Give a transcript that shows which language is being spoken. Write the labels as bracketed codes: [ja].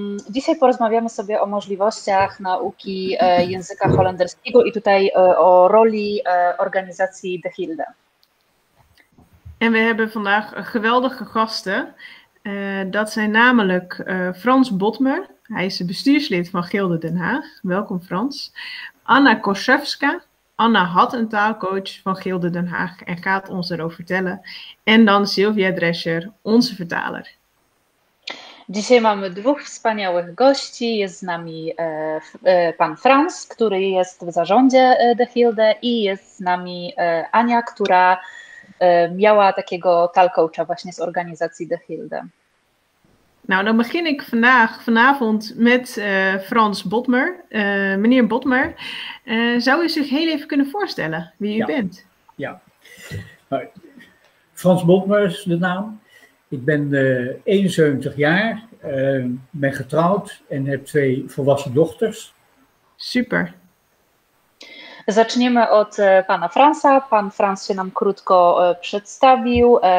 [pl] Dzisiaj porozmawiamy sobie o możliwościach nauki języka holenderskiego i tutaj o roli organizacji De Gilde. [nl] En we hebben vandaag geweldige gasten. Dat zijn namelijk Frans Botmer. Hij is de bestuurslid van Gilde Den Haag. Welkom Frans. Anna Koszewska. Anna had een taalcoach van Gilde Den Haag en gaat ons erover vertellen. En dan Sylvia Drescher, onze vertaler. [pl] Dzisiaj mamy dwóch wspaniałych gości. Jest z nami pan Frans, który jest w zarządzie De Gilde i jest z nami Ania, która miała takiego taalcoacha właśnie z organizacji De Gilde. [nl] Nou, dan begin ik vanavond met Frans Botmer. Meneer Botmer, zou u zich heel even kunnen voorstellen wie u bent? Ja, Frans Botmer is de naam. Ik ben 71 jaar, ben getrouwd en heb twee volwassen dochters. Super. [pl] Zaczniemy od pana Fransa. Pan Frans się nam krótko przedstawił.